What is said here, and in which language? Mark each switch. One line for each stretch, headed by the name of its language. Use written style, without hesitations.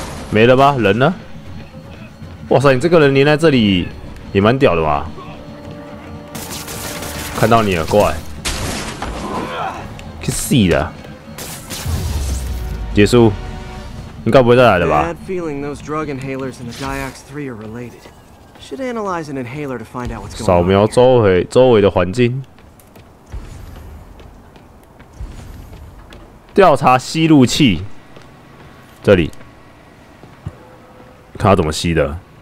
Chinese: 没了吧？人呢？哇塞，你这个人连在这里也蛮屌的嘛！看到你了，过来。去死啦！结束，应该不会再来了吧 ？ Bad feeling.
English: Those drug inhalers and the Diax 3 are related.
Chinese: Should analyze an inhaler to find out what's going on. 扫描周围的环境，调查吸入器，这里，看他怎么吸的。